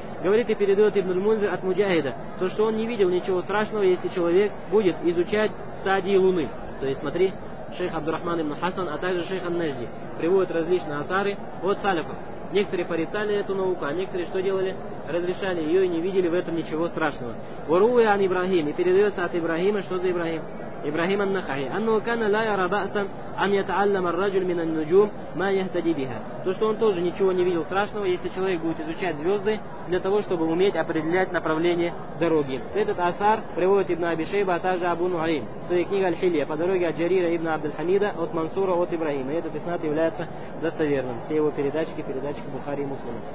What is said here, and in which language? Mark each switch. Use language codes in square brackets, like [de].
[ru] Говорит и передает ибн аль-Мунзир от Муджахида, то, что он не видел ничего страшного, если человек будет изучать стадии Луны. То есть смотри, шейх Абдурахман ибн Хасан, а также шейх ан-Нажди приводят различные асары от салифов. Некоторые порицали эту науку, а некоторые что делали? Разрешали ее и не видели в этом ничего страшного. Урува ан Ибрахим, и передается от Ибрахима, что за Ибрахим? [ar] إبراهيم النخعي أنه كان لا يرى بأسا أن يتعلم الرجل من النجوم ما يهتدي بها. [ru] То, что он тоже ничего не видел страшного, если человек будет изучать звезды для того, чтобы уметь определять направление дороги. Этот асар приводит Ибн Аби Шейба, а также Абу Нуаим в своей книге «Аль-Хилья» по дороге от Джарира Ибн Абдель-Хамида от Мансура от Ибрахима. Этот иснад является достоверным. Все его передачки, передачки Бухари и Муслима.